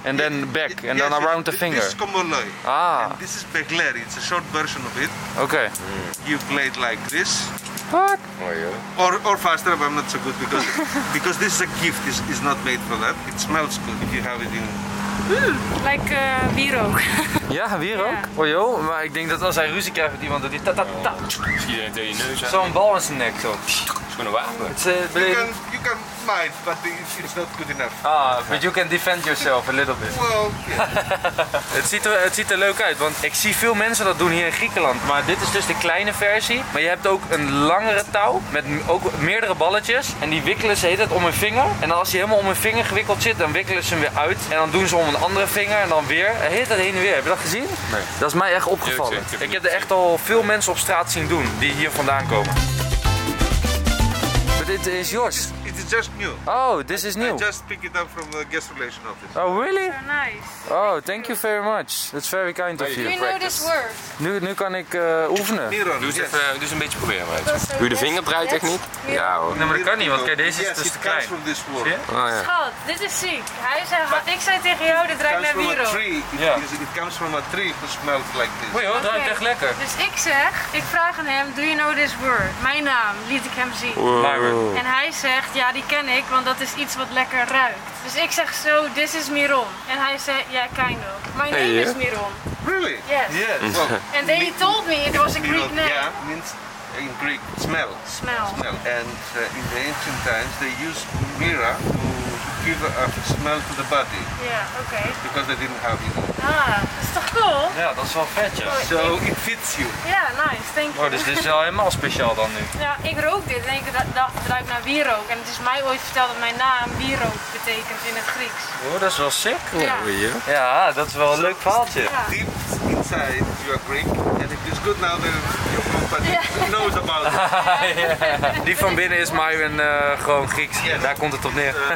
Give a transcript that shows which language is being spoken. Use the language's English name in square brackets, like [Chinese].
[English] And then back and then around the finger. This is Koboloi. Ah. And this is Begleri. It's a short version of it. Okay. You play it like this. What? Oh, yeah. Or faster, but I'm not so good because this is a gift. It's not made for that. It smells good if you have it in... Like wierook. [Dutch] Ja, wierook. Yeah. Oh joh, maar ik denk dat als hij ruzie krijgt met iemand, dat hij ta-ta-ta. Zo'n bal in zijn nek, zo. Het is gewoon een wapen. [English] You can fight, but it's not good enough. Ah, but you can defend yourself a little bit. Well, yeah. [Dutch] het ziet er leuk uit, want ik zie veel mensen dat doen hier in Griekenland. Maar dit is dus de kleine versie. Maar je hebt ook een langere touw met ook meerdere balletjes. En die wikkelen ze heet het om hun vinger. En als die helemaal om hun vinger gewikkeld zit, dan wikkelen ze hem weer uit. En dan doen ze om een andere vinger en dan weer. Heet dat heen en weer. Heb je dat gezien? Nee. Dat is mij echt opgevallen. Ik heb er echt al veel mensen op straat zien doen die hier vandaan komen. Dit is yours. [English] It's just new. Oh, this is new. I just pick it up from the guest relation office. Oh, really? So nice. Oh, thank you very much. That's very kind of you. Do you know this word? [Dutch] Nu kan ik oefenen. Miron, doe eens dus een beetje proberen, meisje. Doe je de vinger draait echt niet? Ja hoor. Nee, maar dat kan niet, want kijk, deze is dus te klein. [English] From this word. [Dutch] Oh, ja. Schat, dit is ziek. Hij zei, wat ik zei tegen jou, dit draait naar Miron. [English] It comes from a tree. It comes from a tree, it smells like this. [Dutch] Oei, hoor, draait echt lekker. Dus ik zeg, ik vraag aan hem, [English] do you know this word? [Dutch] Mijn naam, liet ik hem zien. En hij zegt, ja, die ken ik, want dat is iets wat lekker ruikt. Dus ik zeg zo, [English] this is Miron. [Dutch] En hij zei, ja, [English] yeah, kind of. My name is Miron. Really? Yes. Yes. And then he told me it was a Greek name. Yeah, means in Greek, smell. Smell. And in the ancient times, they used mirror to give a smell to the body. Yeah, okay. Because they didn't have it. Ah, that's toch cool? [Dutch] Ja, dat is wel vet, ja. [English] So it fits you. Yeah, nice, thank you. [Dutch] Oh, dus dit is wel helemaal speciaal dan nu. Ja, ik rook dit en ik dacht, het ruikt naar wierook. En het is mij ooit verteld dat mijn naam wierook betekent in het Grieks. Oh, dat is wel sick. [English] Yeah. Oh, yeah. [Dutch] Ja, dat is wel een leuk verhaaltje. [English] Deep inside you are Greek. And if it's good now, then your company knows about it. [Dutch] Die van binnen is Myron gewoon Grieks. Yeah, daar komt het op neer.